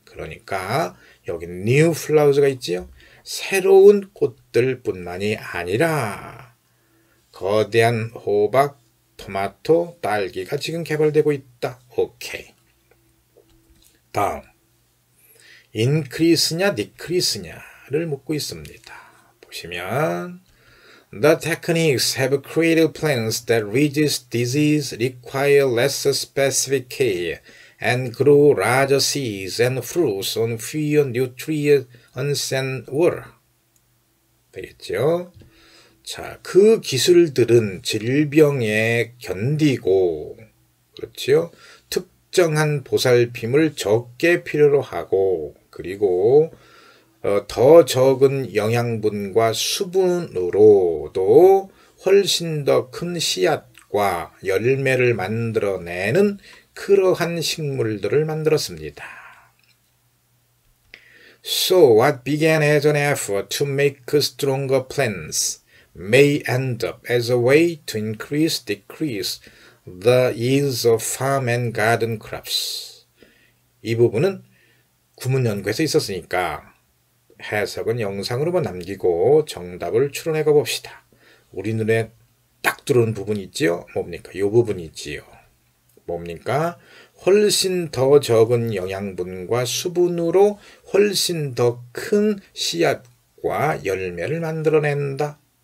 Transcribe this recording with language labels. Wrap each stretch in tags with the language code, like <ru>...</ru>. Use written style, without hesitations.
<ko>그러니까 여기</ko> <en>new flowers</en> <ko>가 있지요. 새로운 꽃들뿐만이 아니라 거대한 호박, 토마토, 딸기가 지금 개발되고 있다. 오케이. 다음. 인크리스냐, 디크리스냐를 묻고 있습니다. 보시면,</ko> <en>The techniques have created plants that resist disease, require less specific care, and grow larger seeds and fruits on fewer nutrients and water.</en> <ko>되겠죠? 자, 그 기술들은 질병에 견디고, 그렇지요? 특정한 보살핌을 적게 필요로 하고, 그리고 더 적은 영양분과 수분으로도 훨씬 더큰 씨앗과 열매를 만들어내는 그러한 식물들을 만들었습니다.</ko> <en>So, what began as an effort to make stronger plants may end up as a way to decrease the yields of farm and garden crops.</en> <ko>이 부분은 구문 연구에서 있었으니까 해석은 영상으로만 남기고 정답을 추론해 가봅시다. 우리 눈에 딱 들어온 부분 있지요? 뭡니까? 이 부분 있지요. 뭡니까? 훨씬 더 적은 영양분과 수분으로 훨씬 더큰 씨앗과 열매를 만들어낸다.</ko>